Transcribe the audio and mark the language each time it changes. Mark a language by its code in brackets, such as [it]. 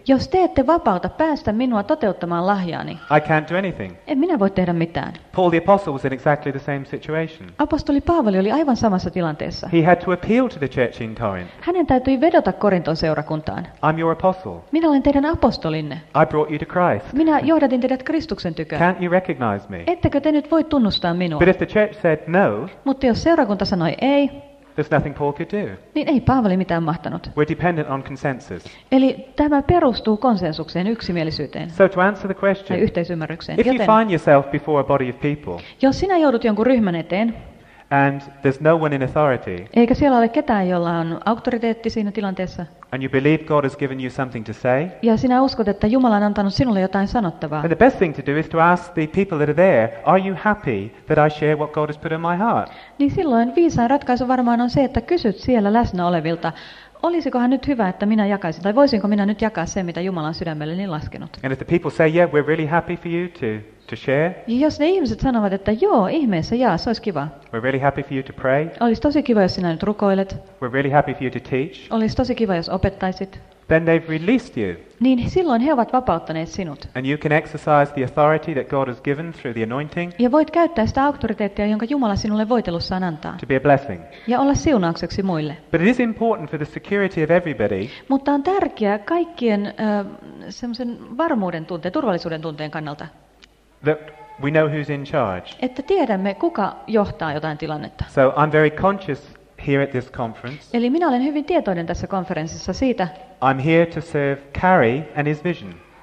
[fi] jos te ette vapauta päästä minua toteuttamaan lahjaani, [en] I can't do anything. [fi] En minä voi tehdä mitään. [en] Paul the apostle was in exactly the same situation. [fi] Apostoli Paavali oli aivan samassa tilanteessa. [en] He had to appeal to the church in Corinth. [fi] Hänen täytyi vedota Korinton seurakuntaan. [en] I'm your apostle. [fi] Minä olen teidän apostolinne. [en] I brought you to Christ. [fi] Minä johdatin teidät Kristuksen tykö. [en] Can't you recognize me? [fi] Ettekö te nyt voi tunnustaa minua? [en] But if the church said no, [fi] mutta jos seurakunta sanoi ei, [en] there's nothing Paul could do. [fi] Niin ei Paavali mitään mahtanut. [en] We're dependent on consensus. [fi] Eli tämä perustuu konsensukseen, yksimielisyyteen. [en] So to answer the question, [fi] tai yhteisymmärrykseen. [en] If you find yourself before a body of people, [fi] jos sinä joudut jonkun ryhmän eteen, [en] and there's no one in authority, [fi] eikä siellä ole ketään, jolla on auktoriteetti siinä tilanteessa, [en] and you believe God has given you something to say, [fi] ja sinä uskot, että Jumala on antanut sinulle jotain sanottavaa, [en] then the best thing to do is to ask the people that are there, are you happy that I share what God has put in my heart? [fi] Niin silloin viisain ratkaisu varmaan on se, että kysyt siellä läsnä olevilta, olisikohan nyt hyvä, että minä jakaisin, tai voisinko minä nyt jakaa sen, mitä Jumala on sydämelleni laskenut? [en] And if the people say, yeah, we're really happy for you to share. [fi] Ja jos ne ihmiset sanovat, että joo, ihmeessä, jaa, se olisi kiva. [en] We're really happy for you to pray. [fi] Olisi tosi kiva, jos sinä nyt rukoilet. [en] We're really happy for you to teach. [fi] Olisi tosi kiva, jos opettaisit. [en] Then they've released you. [fi] Niin silloin he ovat vapauttaneet sinut. [en] And you can exercise the authority that God has given through the anointing. [fi] Ja voit käyttää sitä auktoriteettia, jonka Jumala sinulle voitelussaan antaa. [en] To be a blessing. [fi] Ja olla siunaukseksi muille. [en] But it is important for the security of everybody. [fi] Mutta on tärkeää kaikkien semmoisen varmuuden tunteen, turvallisuuden tunteen kannalta. [en] That we know who's in charge. [fi] Että tiedämme, kuka johtaa jotain tilannetta. [en] So I'm very conscious here at this conference. [fi] Eli minä olen hyvin tietoinen tässä konferenssissa siitä. [en] I'm here to serve Carrie and his vision.